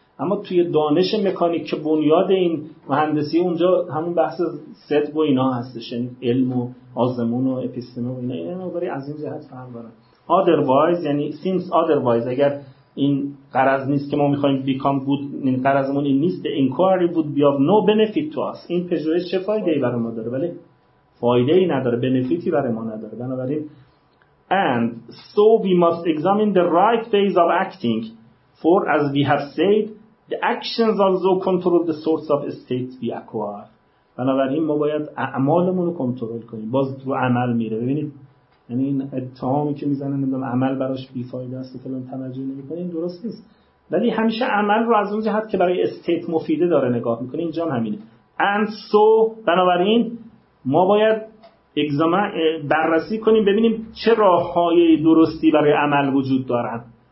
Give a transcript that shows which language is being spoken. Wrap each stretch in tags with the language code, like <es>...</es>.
<fa>اما توی دانش مکانیک که بنیاد این مهندسی، اونجا همون بحث صدق و اینا هستش، یعنی علم و آزمون و اپیستمه و اینا، اینا برای از این جهت فهم دارن.</fa> <en>Otherwise</en> <fa>یعنی</fa> <en>since otherwise،</en> <fa>اگر این قرض نیست که ما میخواییم</fa> <en>become good،</en> <fa>این قرضمون این نیست،</fa> <en>the inquiry would be of no benefit to us.</en> <fa>این پژوهش چه فایده ای برای ما داره؟ ولی فایده ای نداره، بنفیتی برای ما نداره. بنابراین</fa> <en>and so we must examine the right phase of acting, for as we have said, the actions also control the sorts of states we acquire.</en> <fa>بنابراین ما باید اعمالمون رو کنترل کنیم. باز رو عمل میره، ببینید، یعنی این اتهامی که میزنن نمیدونم عمل براش بیفایده است و فلان، توجه نمیکنه، این درست نیست. ولی همیشه عمل رو از اون جهت که برای استیت مفیده داره نگاه میکنه. اینجا هم همینه.</fa> <en>And so</en> <fa>بنابراین ما باید بررسی کنیم ببینیم چه راههای درستی برای عمل وجود دارن.</fa>